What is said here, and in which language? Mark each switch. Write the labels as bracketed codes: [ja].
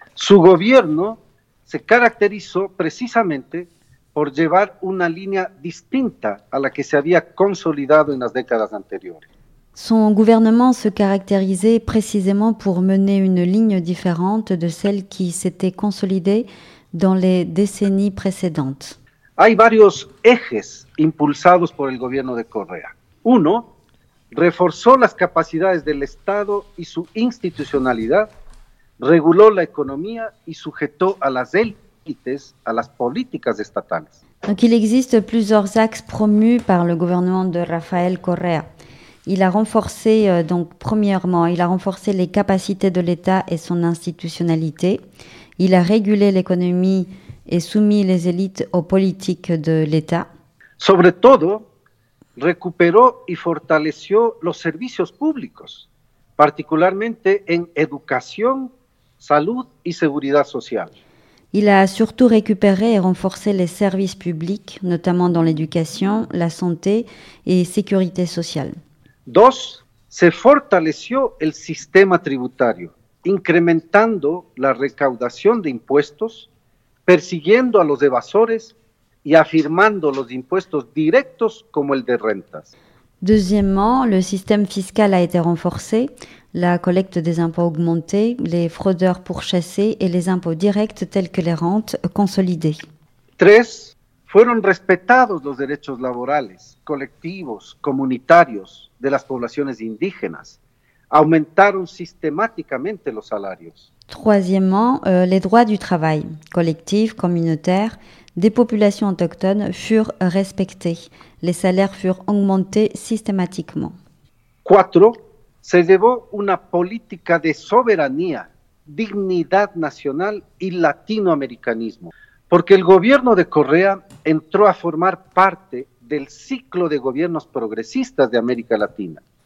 [es] Su gobierno se caracterizó precisamente por llevar una línea distinta a la que se había consolidado en las décadas anteriores. [fr] Son gouvernement se caractérisait précisément pour mener une ligne différente de celle qui s'était consolidée dans les décennies précédentes. [es] Hay varios ejes impulsados por el gobierno de Correa. Uno, reforzó las capacidades del Estado y su institucionalidad, reguló la economía y sujetó a las élites a las políticas estatales. [fr] Donc il existe plusieurs axes promus par le gouvernement de Rafael Correa. Il a renforcé donc premièrement, il a renforcé les capacités de l'État et son institutionnalité. Il a régulé l'économie et soumis les élites aux politiques de l'État. [es] Sobre todo, recuperó y fortaleció los servicios públicos, particularmente en educación, salud y seguridad social. [fr] Il a surtout récupéré et renforcé les services publics, notamment dans l'éducation, la santé et sécurité sociale. [es] Dos, se fortaleció el sistema tributario, incrementando la recaudación de impuestos, persiguiendo a los evasores y afirmando los impuestos directos como el de rentas. [fr] Deuxièmement, le système fiscal a été renforcé, la collecte des impôts augmentée, les fraudeurs pourchassés et les impôts directs tels que les rentes consolidés. [es] Tres, fueron respetados los derechos laborales, colectivos, comunitarios de las poblaciones indígenas. Aumentaron sistemáticamente los salarios. [fr] Troisièmement, les droits du travail, collectif, communautaire, des populations autochtones furent respectés. Les salaires furent augmentés systématiquement. [es] Cuatro, se llevó una política de soberanía, dignidad nacional y latinoamericanismo. Porque el gobierno de Correa entró a formar parte del ciclo de gobiernos progresistas de América Latina.